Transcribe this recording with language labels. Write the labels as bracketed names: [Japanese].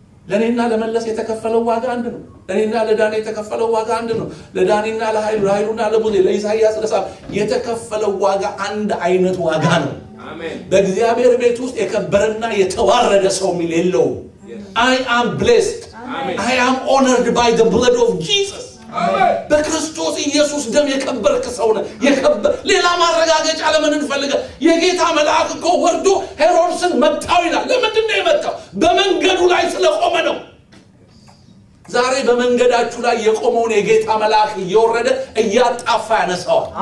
[Amharic] ለኔና ለመለስ የተከፈለው ዋጋ አንድ ነው። ለኔና ለዳኔ የተከፈለው ዋጋ አንድ ነው። ለዳኔና ለኃይሉ ኃይሉና ለቡዴ ለኢሳይያስ ለሳብ የተከፈለው ዋጋ አንድ አይነት ዋጋ ነው። አሜን። በእግዚአብሔር ቤት ውስጥ የከበረና የተዋረደ ሰው ምን ይለው? [English] I am blessed. Amen. I am honored by the blood of Jesus. [Amharic] አሜን። በክርስቶስ ኢየሱስ ደም የከበርከ ሰው ነህ። የከበረ ሌላ ማረጋገጫ ለምን እንፈልጋ? የጌታ መልአክ እኮ ወርዶ ሄሮድስን መጣው ይላል። ለምንድን ነው የመጣው? በመንገዱ ላይ ስለቆመ ነው። ዛሬ በመንገዳችሁ ላይ የቆመውን የጌታ መልአክ እየወረደ እያጣፋ ያነሳው።